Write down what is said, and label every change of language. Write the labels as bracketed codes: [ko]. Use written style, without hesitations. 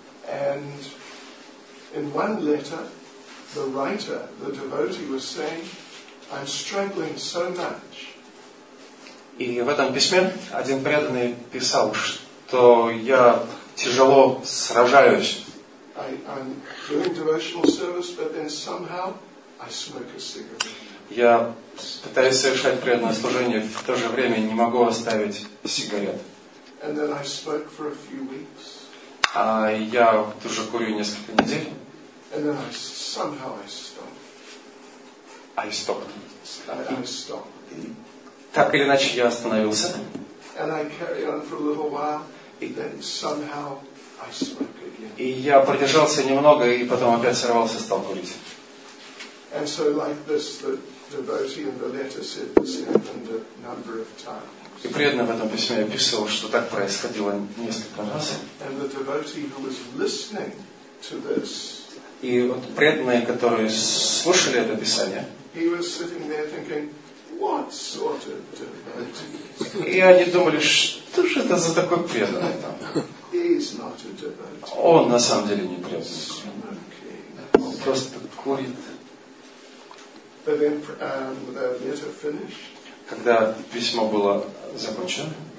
[en] And in one letter, the writer, the devotee, was saying, "I'm struggling so much." [ru] И в этом письме один преданный писал, что я тяжело сражаюсь. [en] I'm doing devotional service, but then somehow I smoke a cigarette. [ru] Я пытаюсь совершать преданное служение, в то же время не могу оставить сигарет. [en] And then I smoke for a few weeks. [ru] А я тоже курю несколько недель. [en] And then somehow I stop. I stop. I stop. [ru] Так или иначе, я остановился. [en] And I carry on for a little while. And then somehow I smoke again. [ru] И я продержался немного, и потом опять сорвался, стал курить. [en] And so like this, the devotee in the letter said this happened a number of times. [ru] И преданный в этом письме описывал, что так происходило несколько раз. [en] And the devotee who was listening to this, [ru] и вот преданные, которые слушали это писание, [en] he was sitting there thinking, what sort of devotee? [ru] И они думали, что же это за такой преданный там? [en] He is not a devotee. [ru] Он на самом деле не преданный. Он просто курит. [en] But then, the letter finished. [ru] Когда письмо было закончено,